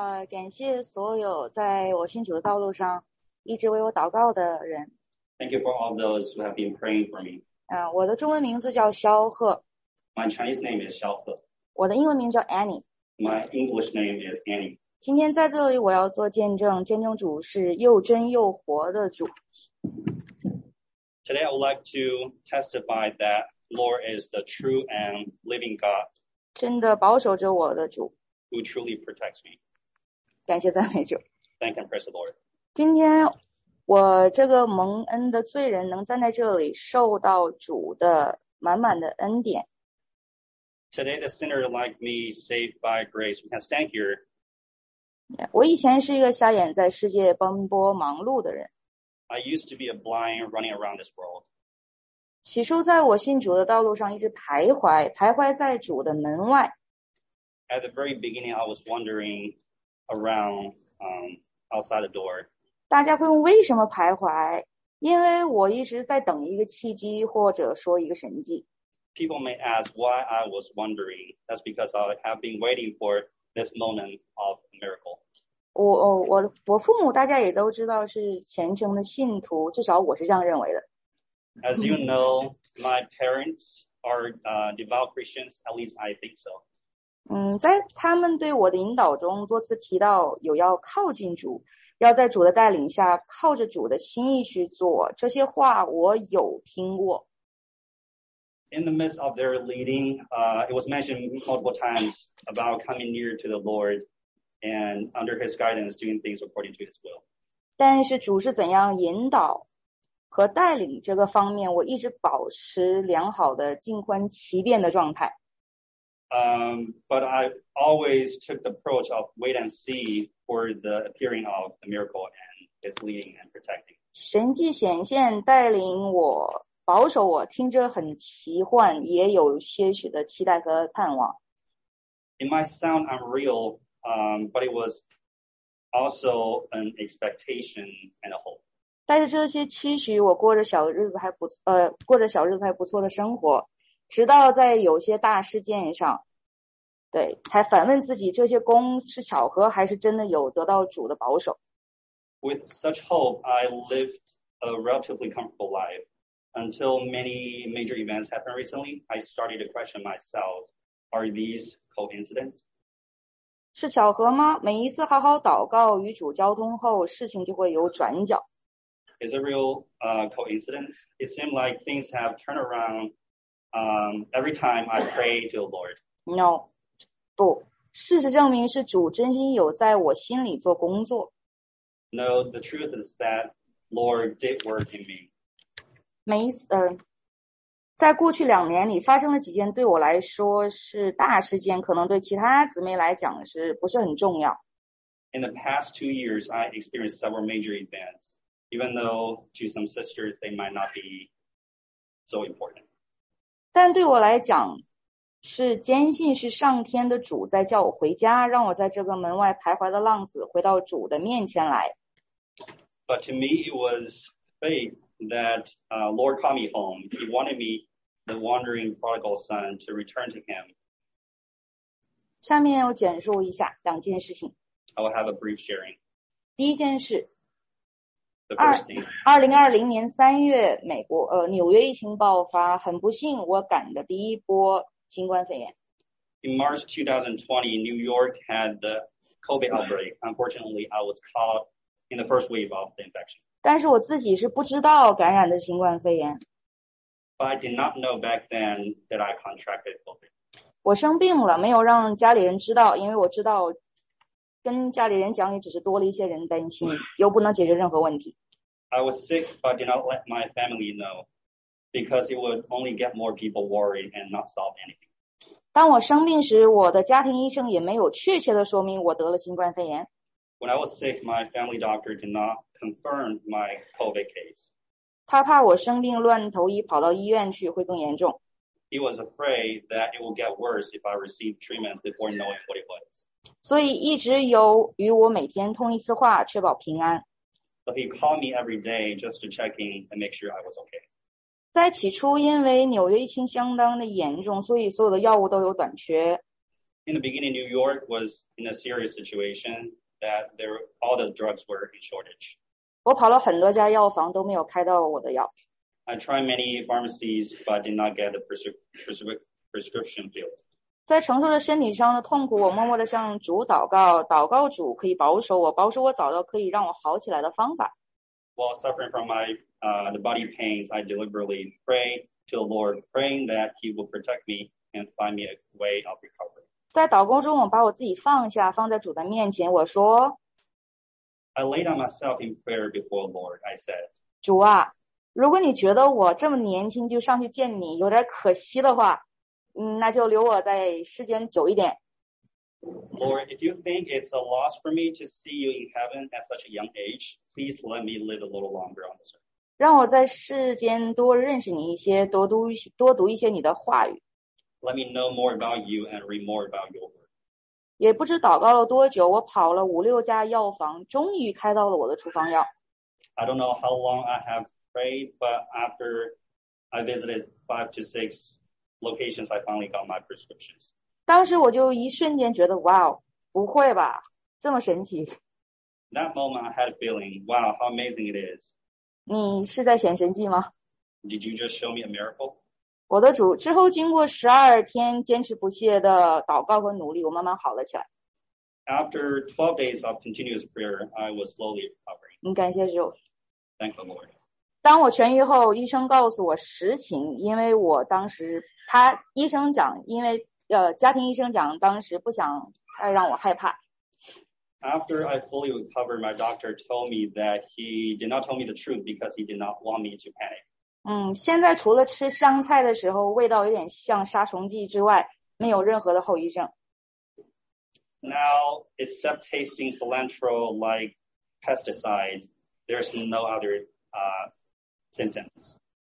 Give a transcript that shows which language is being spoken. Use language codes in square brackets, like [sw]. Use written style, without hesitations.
[zh] 感谢所有在我信主的道路上一直为我祷告的人。 [en] Thank you for all those who have been praying for me. [zh] 我的中文名字叫肖赫。 [en] My Chinese name is 肖赫。 [zh] 我的英文名叫 Annie。 [en] My English name is Annie. [zh] 今天在这里我要做见证，见证主是又真又活的主。 [en] Today I would like to testify that Lord is the true and living God. [zh] 真的保守着我的主。 [en] Who truly protects me. [zh] 感谢赞美主。 [en] Thank and praise the Lord. [zh] 今天我这个蒙恩的罪人能站在这里受到主的满满的恩典。 [en] Today the sinner like me saved by grace can stand here. [zh] 我以前是一个瞎眼在世界奔波忙碌的人。 [en] I used to be a blind running around this world. [zh] 起初在我信主的道路上一直徘徊在主的门外。 [en] At the very beginning, I was wandering around outside the door. [zh] 大家会问为什么徘徊？因为我一直在等一个契机，或者说一个神迹。 [en] People may ask why I was wandering. That's because I have been waiting for this moment of miracle. [zh] 我父母大家也都知道是虔诚的信徒，至少我是这样认为的。 [en] As you know, my parents are devout Christians. At least I think so. [zh] 在他们对我的引导中多次提到有要靠近主，要在主的带领下靠着主的心意去做，这些话我有听过。 [en] In the midst of their leading, it was mentioned multiple times about coming near to the Lord and under his guidance doing things according to his will. [zh] 但是主是怎样引导和带领这个方面，我一直保持良好的静观其变的状态。 [en] But I always took the approach of wait and see for the appearing of the miracle and its leading and protecting. [zh] 神迹显现，带领我，保守我，听着很奇幻，也有些许的期待和盼望。 [en] It might sound unreal, but it was also an expectation and a hope. [zh] 带着这些期许，我过着小日子还不错，过着小日子还不错的生活。直到在有些大事件上，对，才反问自己，这些功是巧合，还是真的有得到主的保守。 [en] With such hope, I lived a relatively comfortable life. Until many major events happened recently, I started to question myself, are these coincidence? [zh] 是巧合吗？每一次好好祷告与主交通后，事情就会有转角。 [en] Is it real coincidence? It seemed like things have turned around every time I pray to the Lord. [zh] No, 不，事实证明是主真心有在我心里做工作。 [en] No, the truth is that Lord did work in me. [zh] 每一次，在过去两年里发生了几件对我来说是大事件，可能对其他姊妹来讲是不是很重要。 [en] In the past 2 years, I experienced several major events. Even though to some sisters, they might not be so important. [zh] 但对我来讲，是坚信是上天的主在叫我回家，让我在这个门外徘徊的浪子回到主的面前来。 [en] But to me, it was faith that Lord called me home. He wanted me, the wandering prodigal son, to return to him. [zh] 下面我简述一下两件事情。 [en] I will have a brief sharing. [zh] 第一件事。 2020 年三月，美国纽约疫情爆发。很不幸，我赶的第一波新冠肺炎。 [en] In March 2020, New York had the COVID outbreak. Unfortunately, I was caught in the first wave of the infection. [zh] 但是我自己是不知道感染的新冠肺炎。 [en] But I did not know back then that I contracted COVID. [zh] 我生病了，没有让家里人知道，因为我知道。跟家里人讲，也只是多了一些人担心，又不能解决任何问题。 [en] I was sick, but did not let my family know, because it would only get more people worried and not solve anything. [zh] 当我生病时，我的家庭医生也没有确切的说明我得了新冠肺炎。 [en] When I was sick, my family doctor did not confirm my COVID case. [zh] 他怕我生病乱投医，跑到医院去会更严重。 [en] He was afraid that it would get worse if I received treatment before knowing what it was. [zh] 所以一直有与我每天通一次话，确保平安。 [en] So he called me every day just to check in and make sure I was okay. [zh] 在起初，因为纽约疫情相当的严重，所以所有的药物都有短缺。 [en] In the beginning, New York was in a serious situation that there all the drugs were in shortage. [zh] 我跑了很多家药房，都没有开到我的药。 [en] I tried many pharmacies, but did not get the prescription filled. [zh] 在承受着身体上的痛苦，我默默地向主祷告，祷告主可以保守我，保守我找到可以让我好起来的方法。 [en] While suffering from my the body pains, I deliberately prayed to the Lord, praying that He will protect me and find me a way of recovery. [zh] 在祷告中，我把我自己放下，放在主的面前，我说 [en] ：“I laid on myself in prayer before the Lord. I said, [zh] 主啊，如果你觉得我这么年轻就上去见你，有点可惜的话。” 那就留我在世间久一点。 [en] Lord, if you think it's a loss for me to see you in heaven at such a young age, please let me live a little longer on this earth. [zh] 让我在世间多认识你一些，多读一些你的话语。 [en] Let me know more about you and read more about your word. [zh] 也不知祷告了多久，我跑了五六家药房，终于开到了我的处方药。 [en] I don't know how long I have prayed, but after I visited 5 to 6locations, I finally got my prescriptions. [zh] 当时我就一瞬间觉得，哇，不会吧，这么神奇。 [en] That moment, I had a feeling, wow, how amazing it is. [zh] 你是在显神迹吗？ [en] Did you just show me a miracle? [zh] 我的主，之后经过12天坚持不懈的祷告和努力，我慢慢好了起来。 [en] After 12 days of continuous prayer, I was slowly recovering. [zh] 你感谢主。 [en] Thank the Lord. [zh] 当我痊愈后，医生告诉我实情，因为我当时他医生讲，因为家庭医生讲，当时不想太让我害怕。 [en] After I fully recovered, my doctor told me that he did not tell me the truth because he did not want me to panic. [zh] 现在除了吃香菜的时候味道有点像杀虫剂之外，没有任何的后遗症。 [en] Now, except tasting cilantro like pesticides, there's no other symptoms.